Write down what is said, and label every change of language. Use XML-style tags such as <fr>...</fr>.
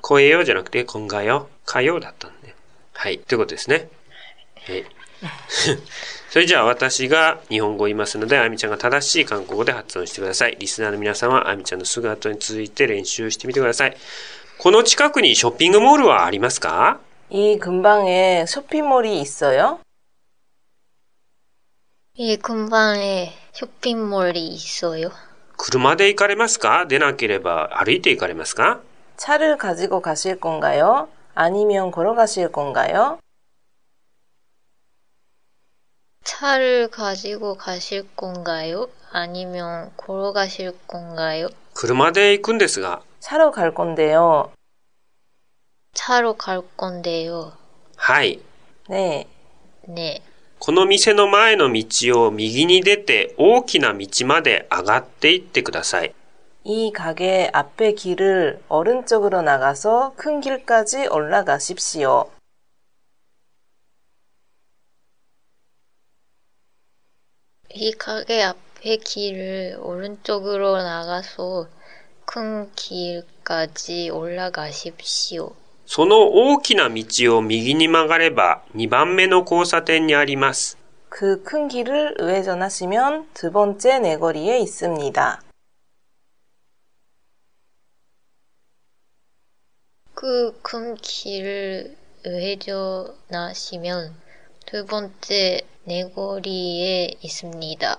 <ja>こえよじゃなくて、こんがよ。かようだったんだよ。はい、ということですね。はい。それじゃあ私が日本語を言いますので、あゆみちゃんが正しい韓国語で発音してください。リスナーの皆さんは、あゆみちゃんのすぐ後に続いて練習してみてください。この近くにショッピングモールはありますか?</ja> <ko>이근방에쇼핑몰이있어요? 이근방에쇼핑몰이있어요?</ko> <ja>車で行かれますか? 出なければ歩いて行かれますか?</ja> <ko>차를가지고가실건가요? 아니면걸어가실건가요? 차를가지고가실건가요? 아니면걸어가실건가요?</ko> <ja>車で行くんですが</ja> <ko>차로갈건데요 차로갈건데요</ko> <ja>はい</ja> <ko>네 네</ko> <ja>この店の前の道を右に出て大きな道まで上がっていってください</ja> <ko>이가게앞에길을오른쪽으로나가서큰길까지올라가십시오 이가게앞에길을오른쪽으로나가서큰길까지올라가십시오</ko> <ja>その大きな道を右に曲がれば2番目の交差点にあります。</ja> <ko>그큰길을우회전하시면두번째네거리에있습니다。 그큰길을우회전하시면두번째네거리에있습니다。</ko>